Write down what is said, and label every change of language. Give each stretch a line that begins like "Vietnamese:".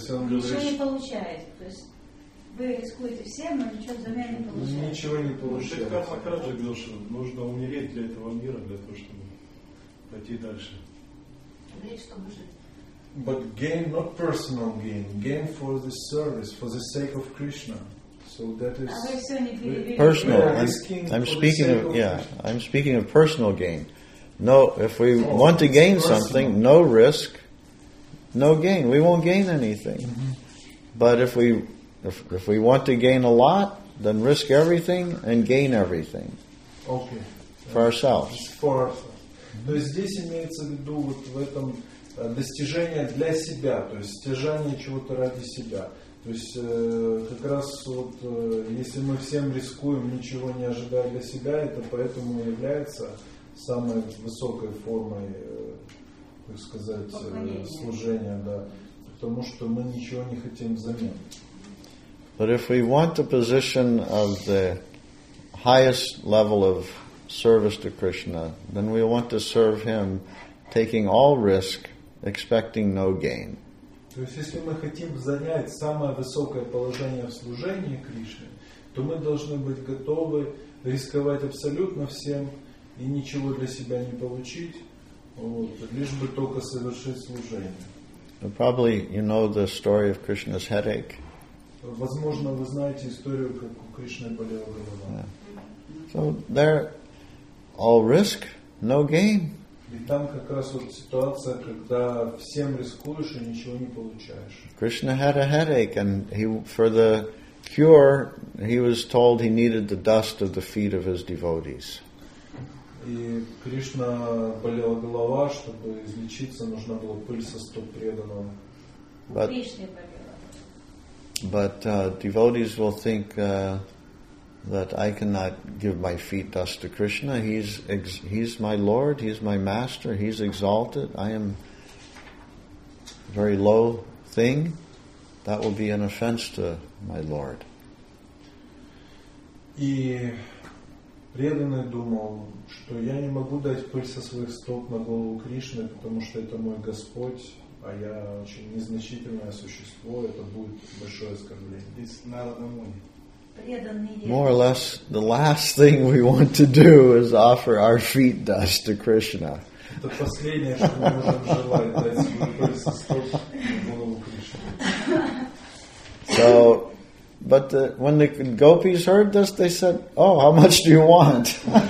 Russian: Вы рискуете всем, но ничего взамен не получаете. Ничего не получается. Как Махарадж же говорил, что нужно умереть для этого мира, для того, чтобы пойти дальше. Умереть, чтобы жить.
English: But gain, not personal gain. Gain for the service, for the sake of Krishna. So that is personal. I'm speaking of personal gain. No, if we want to gain personal. Something, no risk, no gain. We won't gain anything. Mm-hmm. But if we want to gain a lot, then risk everything and gain everything. Okay. For ourselves. For ourselves.
Russian: То есть здесь имеется в виду вот в этом достижение для себя, то есть стяжание чего-то ради себя. То есть как раз вот если мы всем рискуем, ничего не ожидая для себя, это поэтому является самой высокой формой, как сказать, служения, да, потому что мы ничего не хотим взамен.
English: But if we want the position of the highest level of service to Krishna, then we want to serve Him, taking all risk, expecting no gain.
Russian: То есть, если мы хотим занять самое высокое положение в служении Кришне, то мы должны быть готовы рисковать абсолютно всем и ничего для себя не получить, вот, лишь бы только совершить служение.
English: And probably you know the story of Krishna's headache.
Russian: Возможно, вы знаете историю, как у Кришны болела голова.
English: So there, all risk, no gain.
Russian: И там как раз вот ситуация, когда всем рискуешь и ничего не получаешь.
English: Krishna had a headache, and he, for the cure, he was told he needed the dust of the feet of his devotees.
Russian: И Кришна болела голова, чтобы излечиться, нужна была пыль со стоп преданного.
English: But
Russian: Кришна болела.
English: But devotees will think that I cannot give my feet dust to Krishna. He's my Lord. He's my Master. He's exalted. I am a very low thing. That will be an offense to my Lord.
Russian: И преданный думал, что я не могу дать пыль со своих стоп на голову Кришны, потому что это мой Господь. А я очень незначительное существо, это будет большое оскорбление.
English: More or less, the last thing we want to do is offer our feet dust to Krishna.
Russian: Это последнее, что мы можем желать, дать свою пыль со стоп на голову Кришны.
English: So, But when the gopis heard this, they said, "Oh, how much do you want?"